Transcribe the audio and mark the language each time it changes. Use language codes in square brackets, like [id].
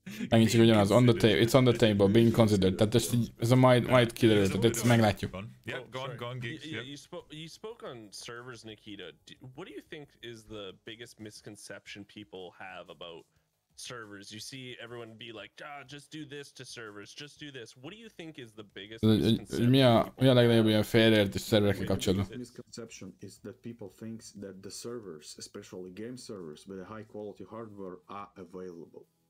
[hu] Megint csak ugyanaz, [en] on the table, it's on the table, being considered, [hu] tehát ezt így, ez a majd kiderült, tehát ezt meglátjuk. [en] Yep, gone, Geeks, yep. You spoke on servers, Nikita. What do you think is the biggest misconception people have about servers? You see everyone be like, ah, just do this to servers, just do this. What do you think is the biggest misconception? [hu] Mi a legnagyobb ilyen félreértés szerverekkel kapcsolatban? [en] The misconception is that people think that the servers, especially game servers, with a high quality hardware, are available.